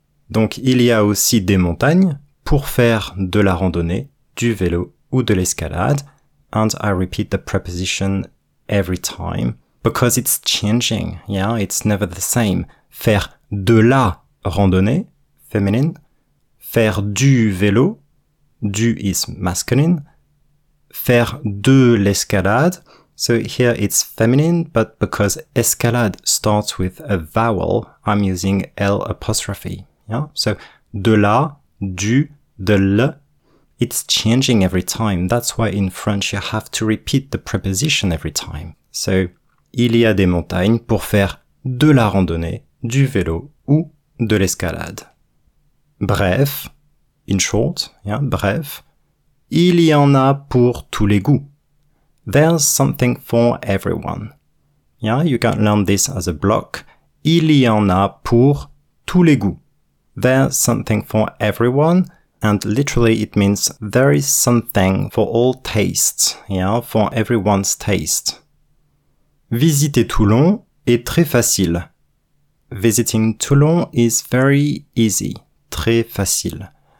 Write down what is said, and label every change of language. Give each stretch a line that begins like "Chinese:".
French: Donc, il y a aussi des montagnes pour faire de la randonnée, du vélo ou de l'escalade.
English: And I repeat the preposition every time. Because it's changing, yeah, it's never the same.
French: Faire de la randonnée, feminine. Faire du vélo,
English: du is masculine.
French: Faire de l'escalade,
English: so here it's feminine, but because escalade starts with a vowel, I'm using L apostrophe, yeah? So de la, du, de le, it's changing every time. That's why in French you have to repeat the preposition every time. So...
French: Il y a des montagnes pour faire de la randonnée, du vélo ou de l'escalade. Bref,
English: in short, yeah,
French: bref, il y en a pour tous les goûts.
English: There's something for everyone. Yeah, you can learn this as a block.
French: Il y en a pour tous les goûts.
English: There's something for everyone. And literally it means there is something for all tastes, yeah, for everyone's taste.
French: Visiter Toulon est très facile.
English: Visiting Toulon is very easy,
French: très facile.